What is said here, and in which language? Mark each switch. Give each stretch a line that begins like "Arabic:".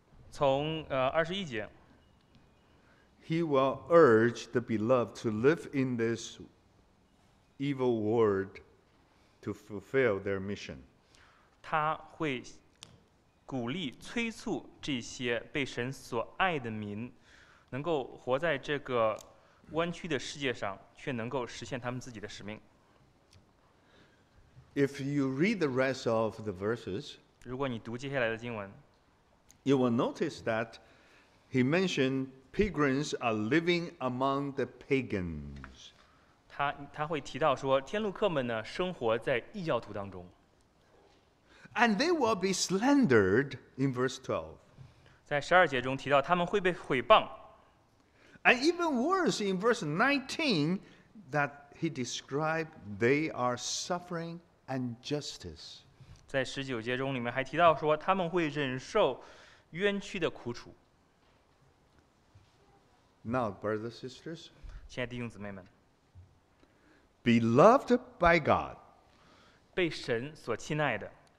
Chinese: 从21节
English: he will urge the beloved to live in this evil world to fulfill their mission.
Chinese: 他会鼓励催促这些被神所爱的民能够活在这个弯曲的世界上却能够实现他们自己的使命
English: If you read the rest of the verses
Chinese: 如果你读接下来的经文
English: You will notice that he mentioned pilgrims are living among the pagans
Chinese: 他会提到说天路客们呢生活在异教徒当中
English: And they will be slandered in verse 12.
Chinese: 在十二节中提到他们会被毁谤。
English: And even worse in verse 19, that he described they are suffering injustice.
Chinese: 在十九节中里面还提到说他们会忍受冤屈的苦楚。
English: Now, brothers and sisters,
Chinese: 亲爱的弟兄姊妹们
English: beloved by God,
Chinese: 被神所亲爱的。